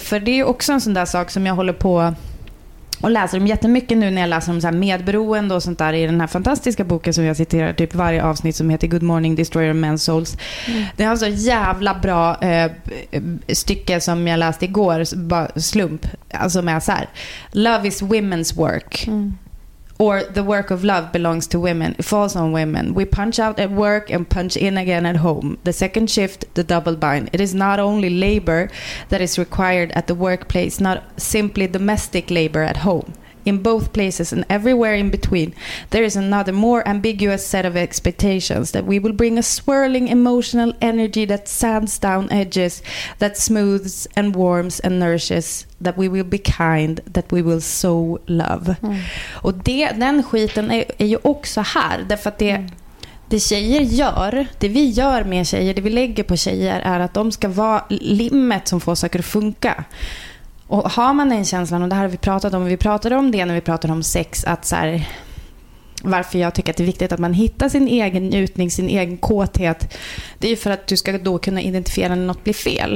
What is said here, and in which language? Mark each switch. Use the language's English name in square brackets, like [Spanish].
[Swedish] För det är också en sån där sak som jag håller på och läser om jättemycket nu när jag läser om så här medberoende och sånt där i den här fantastiska boken som jag citerar typ varje avsnitt som heter Good Morning Destroyer Men's Souls. Det är alltså ett jävla bra stycke som jag läste igår, slump, alltså med så här, [English] love is women's work. or the work of love belongs to women. It falls on women. We punch out at work and punch in again at home. The second shift, the double bind. It is not only labor that is required at the workplace, not simply domestic labor at home. In both places and everywhere in between, there is another more ambiguous set of expectations that we will bring a swirling emotional energy that sands down edges, that smooths and warms and nourishes, that we will be kind, that we will sow love. Mm. [Swedish] Och det, den skiten är ju också här, därför att det, det tjejer gör, det vi gör med tjejer, det vi lägger på tjejer är att de ska vara limmet som får saker att funka. Och har man den känslan, och det här har vi pratat om, vi pratade om det när vi pratade om sex, att så här, varför jag tycker att det är viktigt att man hittar sin egen njutning, sin egen kåthet, det är ju för att du ska då kunna identifiera när något blir fel.